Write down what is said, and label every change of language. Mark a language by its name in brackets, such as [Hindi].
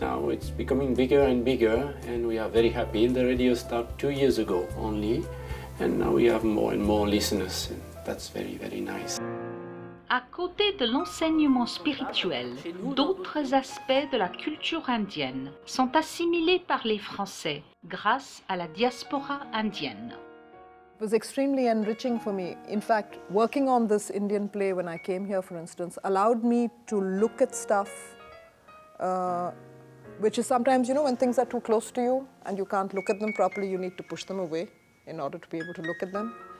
[English] Now it's becoming bigger and bigger, and we are very happy. The radio started 2 years ago only, and now we have more and more listeners, and that's very, very nice. [French] À côté de l'enseignement spirituel, d'autres aspects de la culture indienne sont assimilés par les Français grâce à la diaspora indienne. [English] It was extremely enriching for me. In fact, working on this Indian play when I came here, for instance, allowed me to look at stuff, which is sometimes, you know, when things are too close to you and you can't look at them properly, you need to push them away in order to be able to look at them.